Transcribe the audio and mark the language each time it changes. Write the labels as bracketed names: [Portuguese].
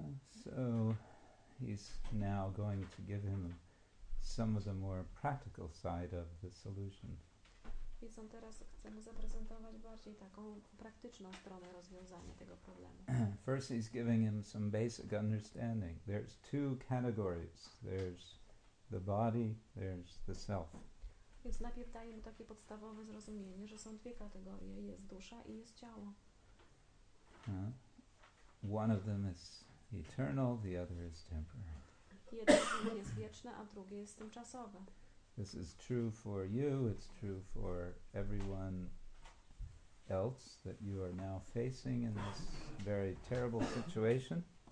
[English] So he's now going to give him some of the more practical side of the solution. [Polish] Więc on teraz chce mu zaprezentować bardziej taką praktyczną stronę rozwiązania tego problemu. [English] First he's giving him some basic understanding. There's two categories. There's the body, there's the self. [Polish] Więc najpierw daje mu takie podstawowe zrozumienie, że są dwie kategorie. Jest dusza i jest ciało. [English] One of them is eternal, the other is temporary. [Polish] Jedno z nich jest wieczne, a drugie jest tymczasowe. [English] This is true for you, it's true for everyone else that you are now facing in this very terrible situation.